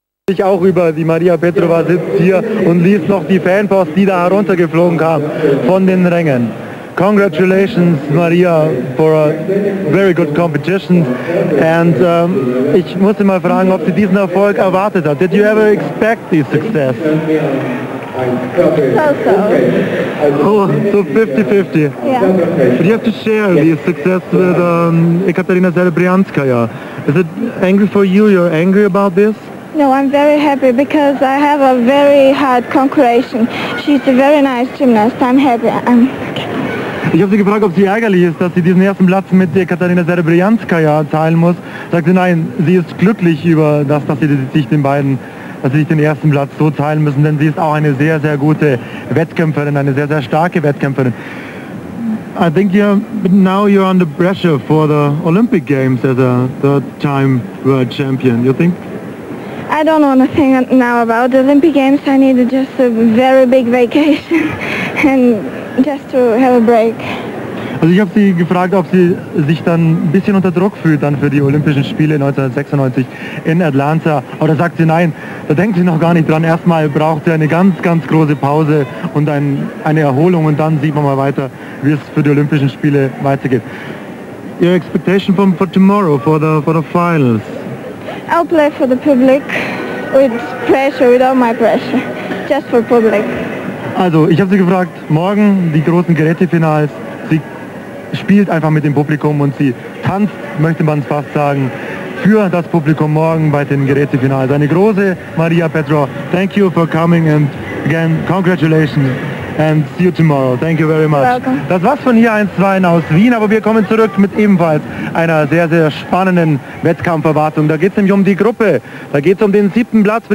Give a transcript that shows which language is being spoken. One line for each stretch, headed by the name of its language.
German: Ich auch über die Maria Petrova sitzt hier und liest noch die Fanpost, die da heruntergeflogen kam von den Rängen.
English: Congratulations, Maria, for a very good competition.
German: And ich musste mal fragen, ob sie diesen Erfolg erwartet hat.
English: Did you ever expect this success? So-so. Oh, so 50-50. Yeah. But you have to share the success with Ekaterina Zelebryanskaya. Is it angry for you? You're angry about this? No, I'm very happy because I have a very hard concentration. She's a very nice gymnast. I'm happy.
German: Ich habe sie gefragt, ob sie ärgerlich ist, dass sie diesen ersten Platz mit der Ekaterina Serebryanskaya teilen muss. Sagt sie, nein, sie ist glücklich über das, dass sie sich den ersten Platz so teilen müssen, denn sie ist auch eine sehr, sehr gute Wettkämpferin, eine sehr, sehr starke Wettkämpferin.
English: I think now you're under pressure for the Olympic Games as a third-time world champion. You think? I don't know anything now about the Olympic Games. I need just a very big vacation and just to have a break.
German: Also ich habe sie gefragt, ob sie sich dann ein bisschen unter Druck fühlt dann für die Olympischen Spiele 1996 in Atlanta. Aber da sagt sie nein, da denkt sie noch gar nicht dran. Erstmal braucht sie eine ganz, ganz große Pause und eine Erholung und dann sieht man mal weiter, wie es für die Olympischen Spiele weitergeht.
English: Your expectation for tomorrow, for the finals? I'll play for the public with pressure, without my pressure, just for public.
German: Also ich habe sie gefragt, morgen die großen Gerätefinals. Sie spielt einfach mit dem Publikum und sie tanzt, möchte man es fast sagen, für das Publikum morgen bei den Gerätefinals. Eine große Maria Petrova.
English: Thank you for coming and again congratulations and see you tomorrow. Thank you very much. Welcome.
German: Das war's von hier 1-2 aus Wien, aber wir kommen zurück mit ebenfalls einer sehr, sehr spannenden Wettkampferwartung. Da geht es nämlich um die Gruppe. Da geht es um den siebten Platz für die